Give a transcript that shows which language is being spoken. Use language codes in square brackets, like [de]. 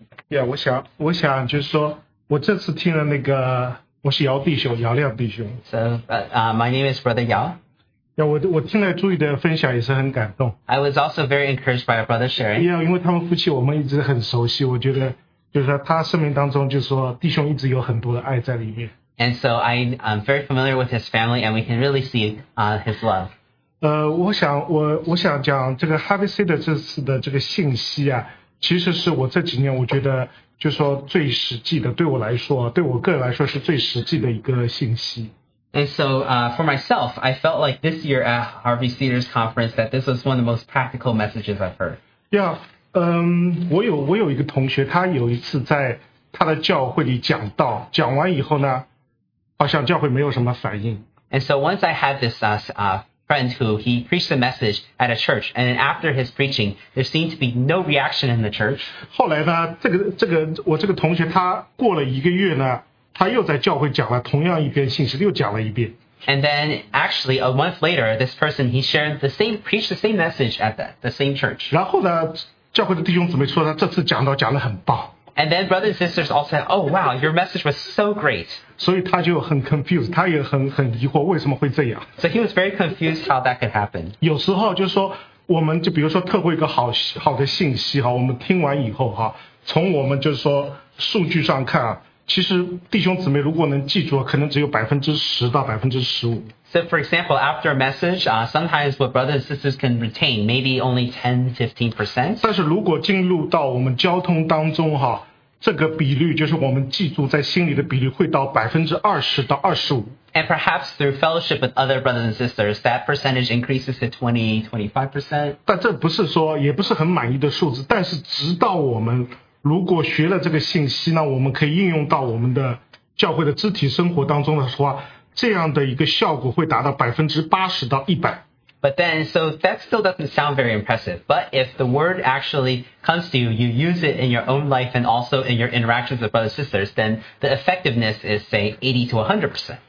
[en] Yeah, [zh] 我想就是说，我这次听了那个，我是姚弟兄，姚亮弟兄。 [en] So, my name is Brother Yao. Yeah, [zh] 我听了朱宇的分享也是很感动。 [en] I was also very encouraged by our brother sharing. Yeah, [zh] 因为他们夫妻我们一直很熟悉，我觉得就是他生命当中就是说弟兄一直有很多的爱在里面。 [en] And so I'm very familiar with his family, and we can really see his love. [zh] 我想讲这个 Harvest City 这次的这个信息啊，其实是我这几年我觉得就是说最实际的，对我来说，对我个人来说是最实际的一个信息。 [en] And so for myself, I felt like this year at Harvey Cedars Conference that this was one of the most practical messages I've heard. Yeah, [zh] 我有一个同学，他有一次在他的教会里讲道，讲完以后呢，好像教会没有什么反应。 [en] And so once I had this friend who he preached a message at a church, and after his preaching, there seemed to be no reaction in the church. [zh] 后来呢，我这个同学他过了一个月呢，他又在教会讲了同样一篇信息，又讲了一遍。 [en] And then actually a month later, this person he shared preached the same message at the same church. [zh] 然后呢，教会的弟兄姊妹说他这次讲道讲得很棒。 [en] And then brothers and sisters all said, "Oh wow, your message was so great." [zh] 所以他就很 [en] confused， [zh] 他也很疑惑为什么会这样。 [en] So he was very confused how that could happen. [zh] 有时候就是说，我们就比如说特会一个好的信息哈，我们听完以后哈，从我们就是说数据上看啊，其实弟兄姊妹如果能记住，可能只有10%到15%。 [en] So for example, after a message, sometimes what brothers and sisters can retain, maybe only 10-15%. [zh] 但是如果进入到我们交通当中哈，这个比率就是我们记住在心里的比率会到20%到25%。 [en] And perhaps through fellowship with other brothers and sisters, that percentage increases to 20-25%. [zh] 但这不是说也不是很满意的数字，但是直到我们如果学了这个信息呢，我们可以应用到我们的教会的肢体生活当中的话，这样的一个效果会达到80%到100%。 [en] But then, so that still doesn't sound very impressive. But if the word actually comes to you, you use it in your own life and also in your interactions with brothers and sisters, then the effectiveness is, say, 80%-100%.